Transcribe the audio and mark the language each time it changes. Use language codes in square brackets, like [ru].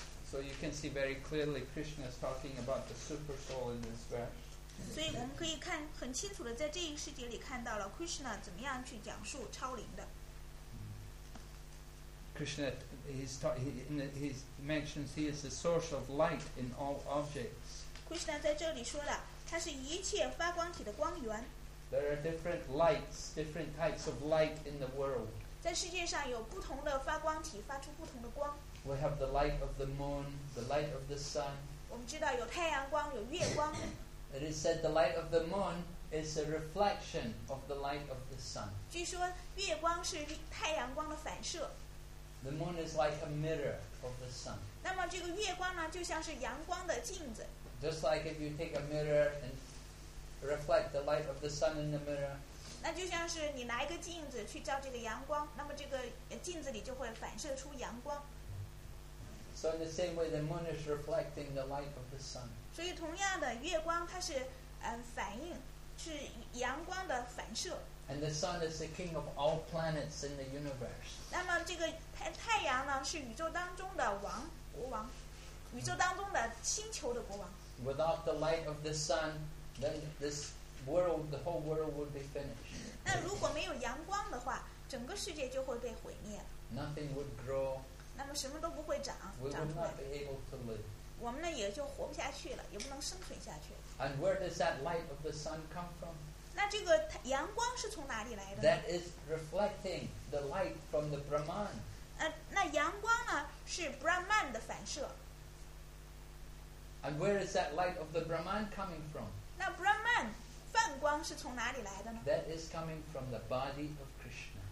[en] So you can see very clearly, Krishna is talking about the super soul in this verse. [zh] 所以我们可以看很清楚的，在这一世界里看到了 Krishna 怎么样去讲述超灵的。 [en] Krishna, he mentions he is the source of light in all objects. [zh] Krishna 在这里说了，他是一切发光体的光源。 [en] There are different lights, different types of light in the world. [zh] 在世界上有不同的发光体，发出不同的光。 [en] We have the light of the moon, the light of the sun. [zh] 我们知道有太阳光，有月光。 [en] It is said the light of the moon is a reflection of the light of the sun. [zh] 据说月光是太阳光的反射。 [en] The moon is like a mirror of the sun. [zh] 那么这个月光呢，就像是阳光的镜子。 [en] Just like if you take a mirror and reflect the light of the sun in the mirror. [zh] 那就像是你拿一个镜子去照这个阳光，那么这个镜子里就会反射出阳光。 [en] So in the same way, the moon is reflecting the light of the sun. [zh] 所以同样的，月光它是反应，是阳光的反射。 [en] And the sun is the king of all planets in the universe. [zh] 那么这个太阳呢，是宇宙当中的王，国王，宇宙当中的星球的国王。 [en] Without the light of the sun, then this world, the whole world would be finished. [zh] 那如果没有阳光的话，整个世界就会被毁灭。 [en] Nothing would grow. [zh] 那么什么都不会长，长出来。 [en] We would not be able to live. [zh] 我们呢也就活不下去了，也不能生存下去。 [en] And where does that light of the sun come from? [zh] 那这个阳光是从哪里来的呢？ [en] That is reflecting the light from the Brahman. [zh] 那阳光呢是 Brahman 的反射。 [en] And where is that light of the Brahman coming from? [zh] 那 Brahman 梵光是从哪里来的呢？ [en] That is coming from the body of Krishna.